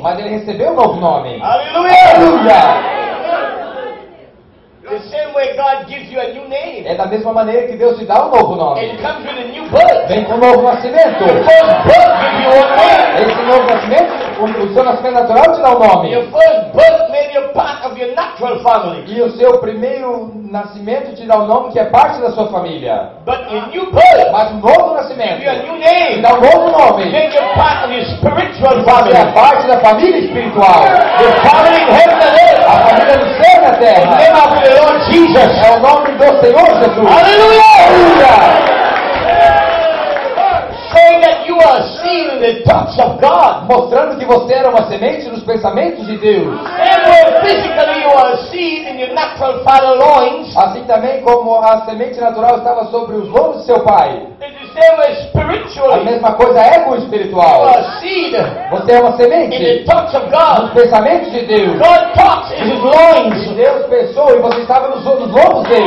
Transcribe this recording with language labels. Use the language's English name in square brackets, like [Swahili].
[Portuguese] Mas ele recebeu um novo nome. Aleluia! Aleluia! [English] The same way God gives you a new name. [Portuguese] É da mesma maneira que Deus te dá um novo nome. [English] It comes with a new birth. [Portuguese] Vem com um novo nascimento. [English] Your first birth gives you a name. [Portuguese] Esse novo nascimento, o seu nascimento natural te dá um nome. [English] Your first birth made you part of your natural family. [Portuguese] E o seu primeiro nascimento te dá um nome que é parte da sua família. [English] But a new birth. [Portuguese] Mas um novo nascimento. [English] Give you a new name. [Portuguese] Te dá um novo nome. [English] Make you part of your spiritual family. [Portuguese] É parte da família espiritual. [English] The family in heaven and earth. [Portuguese] A família do céu na terra. [English] Jesus. [Portuguese] É o nome do Senhor Jesus. Aleluia! Aleluia! [English] Saying that you are seen in the thoughts of God. [Portuguese] Mostrando que você era uma semente nos pensamentos de Deus. [English] Physically you are seen in your natural father's loins. [Portuguese] Assim também como a semente natural estava sobre os lombos do seu pai. [English] Spiritually. [Portuguese] A mesma coisa é com o espiritual. [English] You are seed. [Portuguese] Você é uma semente. [English] In the thoughts of God. [Portuguese] Nos pensamentos de Deus. [English] God talks in his loins. [Portuguese] Deus pensou e você estava nos lombos dele.